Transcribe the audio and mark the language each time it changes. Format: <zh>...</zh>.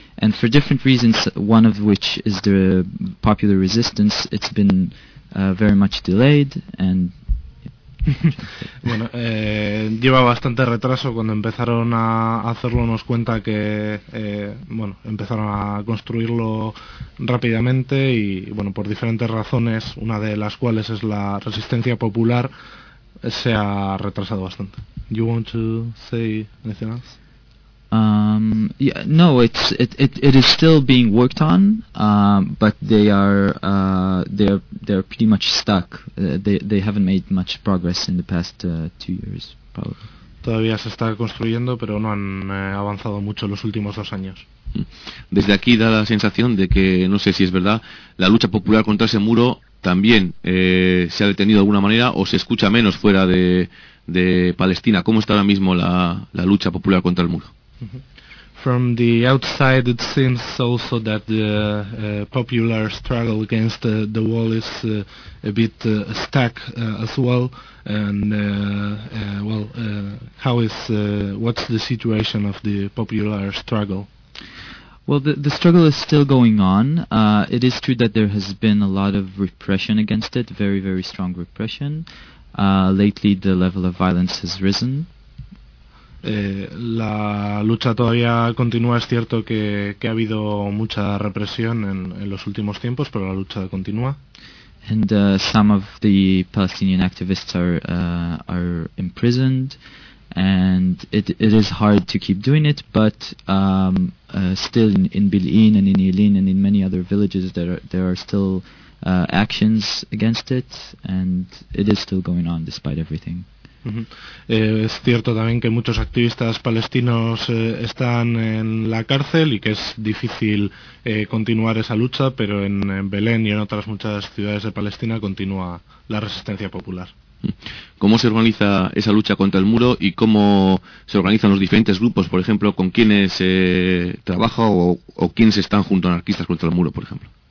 <en>And for different reasons, one of which is the popular resistance, it's been very much delayed. And</en> <es>bueno, lleva bastante retraso. Cuando empezaron a hacerlo, nos cuenta que empezaron a construirlo rápidamente, y bueno, por diferentes razones, una de las cuales es la resistencia popular, se ha retrasado bastante.</es> <en>You want to say anything else? It is still being worked on, but they are pretty much stuck. They haven't made much progress in the past 2 years, probably.</en> <es>Todavía se está construyendo, pero no han avanzado mucho los últimos 2 años. Desde aquí da la sensación de que, no sé si es verdad, la lucha popular contra ese muro también se ha detenido de alguna manera, o se escucha menos fuera de Palestina. ¿Cómo está ahora mismo la lucha popular contra el muro?</es> <en>From the outside, it seems also that the popular struggle against the wall is a bit stuck as well. And what's the situation of the popular struggle? Well, the struggle is still going on. It is true that there has been a lot of repression against it, very, very strong repression. Lately, the level of violence has risen.</en> <es>La lucha todavía continúa. Es cierto que ha habido mucha represión en los últimos tiempos, pero la lucha continúa.</es> <en>And some of the Palestinian activists are imprisoned, and it is hard to keep doing it, but still in Bilin and in Yilin and in many other villages there are still actions against it, and it is still going on despite everything.</en> <es>Es cierto también que muchos activistas palestinos están en la cárcel, y que es difícil continuar esa lucha, pero en Belén y en otras muchas ciudades de Palestina continúa la resistencia popular. ¿Cómo se organiza esa lucha contra el muro, y cómo se organizan los diferentes grupos, por ejemplo, con quiénes trabaja o quiénes están junto a Anarquistas contra el Muro, por ejemplo?</es>